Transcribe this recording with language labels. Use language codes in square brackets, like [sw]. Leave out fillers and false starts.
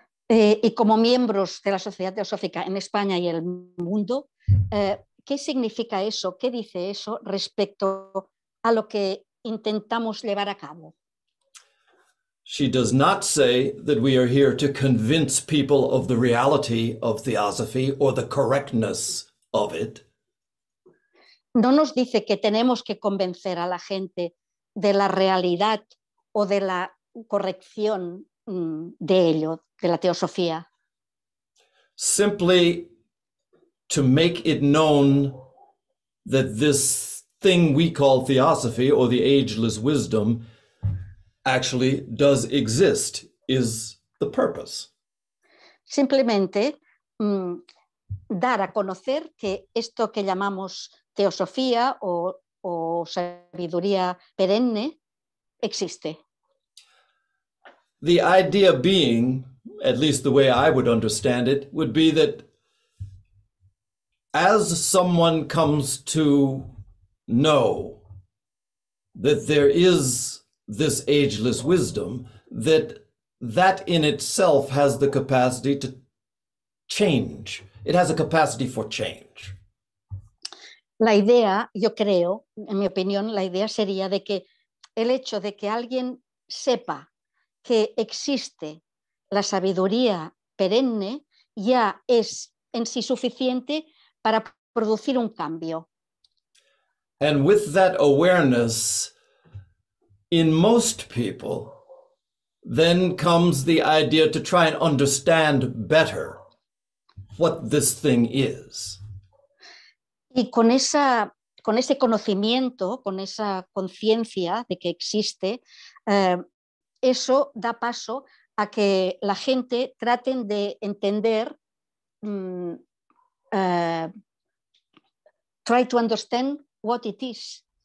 [es] Y como miembros de la sociedad teosófica en España y el mundo, ¿qué significa eso? ¿Qué dice eso respecto a lo que intentamos llevar a cabo? [en] She does not say that we are here to convince people of the reality of theosophy or the correctness of it. [es] No nos dice que tenemos que convencer a la gente de la realidad o de la corrección de ello, de la teosofía. [en] Simply to make it known that this thing we call theosophy or the ageless wisdom actually does exist is the purpose. [es] Simplemente dar a conocer que esto que llamamos teosofía o sabiduría perenne existe. [en] The idea being, at least the way I would understand it, would be that as someone comes to know that there is this ageless wisdom, that in itself has the capacity to change. It has a capacity for change. [es] La idea, yo creo, en mi opinión, la idea sería de que el hecho de que alguien sepa que existe la sabiduría perenne ya es en sí suficiente para producir un cambio. [en] And with that awareness in most people, then comes the idea to try and understand better what this thing is. [es] Y con ese conocimiento, con esa conciencia de que existe, eso da paso a que la gente traten de entender, [en] try to understand what it is.